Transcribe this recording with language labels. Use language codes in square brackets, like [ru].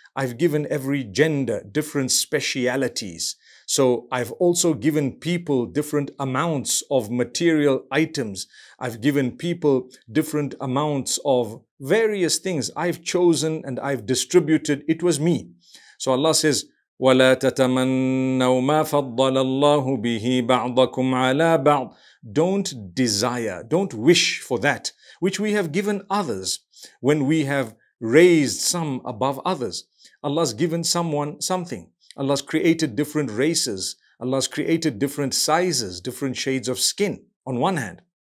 [en] I've given every gender different specialities. So I've also given people different amounts of material items. I've given people different amounts of various things. I've chosen and I've distributed. It was me. So Allah says, [ar] وَلَا تَتَمَنَّوا مَا فَضَّلَ اللَّهُ بِهِ بَعْضَكُمْ عَلَىٰ بَعْضٍ. [en] Don't desire, don't wish for that which we have given others when we have raised some above others. Allah's given someone something. Allah's created different races. Allah's created different sizes, different shades of skin on one hand.